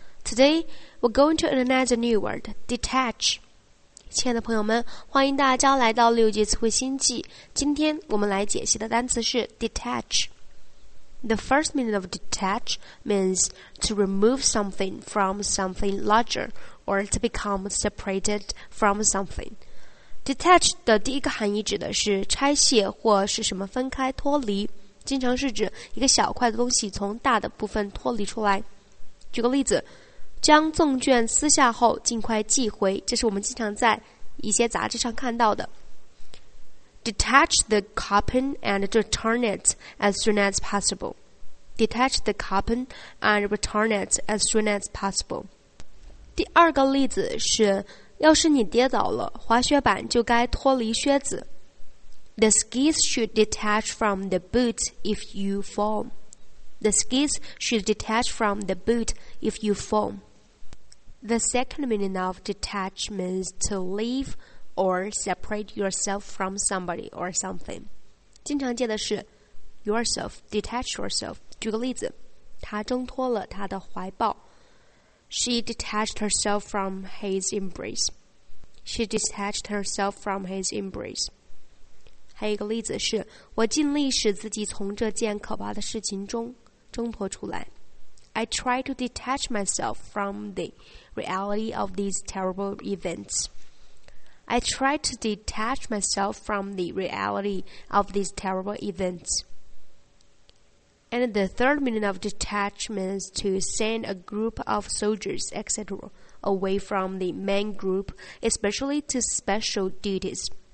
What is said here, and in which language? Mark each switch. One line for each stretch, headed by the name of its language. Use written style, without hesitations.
English: Today, we're going to analyze a new word, detach.
Chinese: 亲爱的朋友们，欢迎大家来到六级词汇星际。今天我们来解析的单词是
English: detach. The first meaning of detach means to remove something from something larger or to become separated from something.
Chinese: Detach 的第一个含义指的是拆卸或是什么分开脱离，经常是指一个小块的东西从大的部分脱离出来。举个例子，将纵卷撕下后尽快寄回，这是我们经常在一些杂志上看到的。
English: Detach the carpet and return it as soon as possible. Detach the carpet and return it as soon as possible.
Chinese: 第二个例子是要是你跌倒了，滑雪板就该脱离靴子。
English: The skis should detach from the boot if you fall. The skis should detach from the boot if you fall. The second meaning of detach means to leave or separate yourself from somebody or something.
Chinese: 经常见的是 yourself,
English: detach yourself.
Chinese: 举个例子，他挣脱了他的怀抱。
English: She detached herself from his embrace. She detached herself from his embrace.
Chinese: 还有一个例子是，我尽力使自己从这件可怕的事情中挣脱出来。
English: I try to detach myself from the reality of these terrible events. I try to detach myself from the reality of these terrible events. And the third meaning of detach means to send a group of soldiers, etc., away from the main group, especially to special duties.